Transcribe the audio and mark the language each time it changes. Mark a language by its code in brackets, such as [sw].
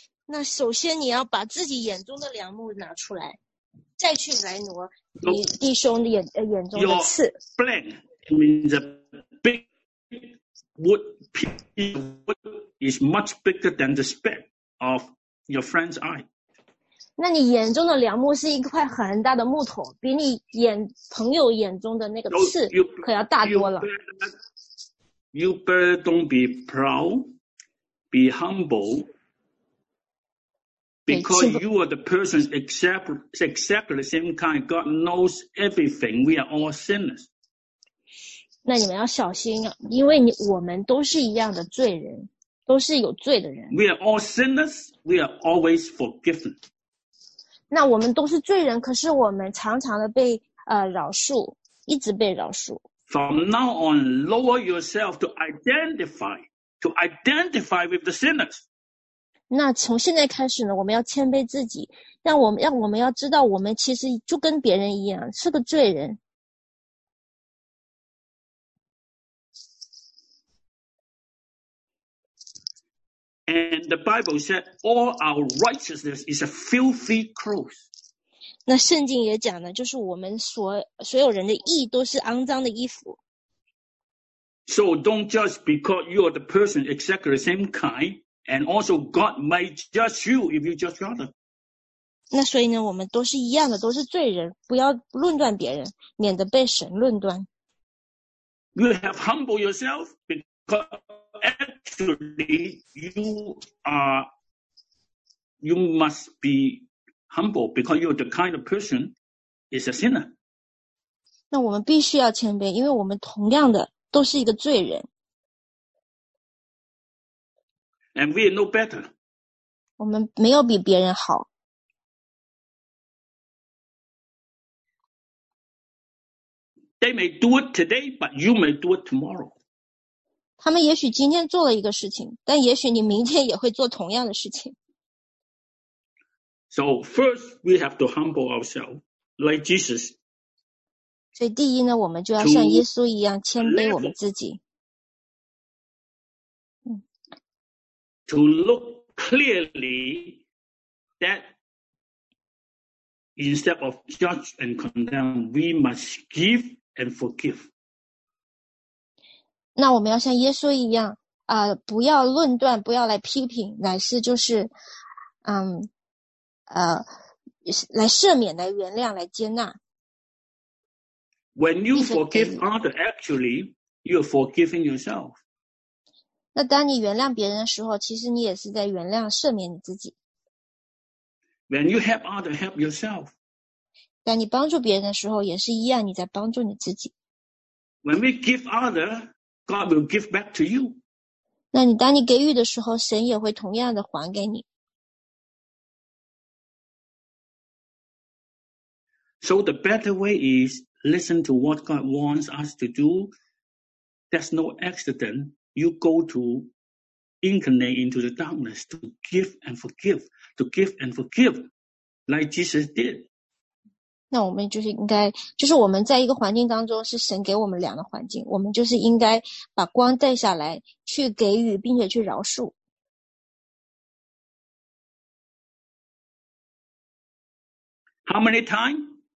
[zh] 那首先你要把自己眼中的梁木拿出来，再去来挪你弟兄的眼中的刺。 [en] Your blank means a big wood piece of wood is much bigger than the speck of your friend's eye. [zh] 那你眼中的梁木是一块很大的木头，比你眼朋友眼中的那个刺可要大多了。 [en] You better don't be proud, be humble, because you are the person exactly the same kind. God knows everything. We are all sinners. [zh] 那你们要小心啊，因为你我们都是一样的罪人，都是有罪的人。 [en] We are all sinners. We are always forgiven. [zh] 那我们都是罪人，可是我们常常的被饶恕，一直被饶恕。 [en] From now on, lower yourself to identify with the sinners. [zh] 那从现在开始呢，我们要谦卑自己，让我们要知道，我们其实就跟别人一样，是个罪人。 [en] And the Bible said, all our righteousness is a filthy clothes. [zh] 那圣经也讲的，就是我们所有人的义都是肮脏的衣服。 [en] So don't judge because you are the person exactly the same kind, and also God might judge you if you judge others. [zh] 那所以呢，我们都是一样的，都是罪人，不要论断别人，免得被神论断。 [en] You have humbled yourself because actually, you must be humble because you're the kind of person is a sinner. [zh] 那我们必须要谦卑，因为我们同样的都是一个罪人。 [en] And we are no better. [zh] 我们没有比别人好。 [en] They may do it today, but you may do it tomorrow. [zh] 他们也许今天做了一个事情，但也许你明天也会做同样的事情。 [en] So first, we have to humble ourselves like Jesus. [zh] 所以第一呢，我们就要像耶稣一样谦卑我们自己。 [en] To look clearly that instead of judge and condemn, we must give and forgive. [zh] 那我们要像耶稣一样不要论断，不要来批评，乃是就是来赦免，来原谅，来接纳。 [en] When you forgive others, actually, you're forgiving yourself. [zh] 那当你原谅别人的时候，其实你也是在原谅赦免你自己。 [en] When you help others, help yourself. [zh] 当你帮助别人的时候，也是一样，你在帮助你自己。 [en] When we give others,God will give back to you. [zh] 那你当你给予的时候，神也会同样的还给你。 [en] So the better way is listen to what God wants us to do. That's no accident. You go to incarnate into the darkness to give and forgive, to give and forgive, like Jesus did. [zh] 那我们就是应该，就是我们在一个环境当中是神给我们良的环境，我们就是应该把光带下来去给予，并且去饶恕。 [en] How many times?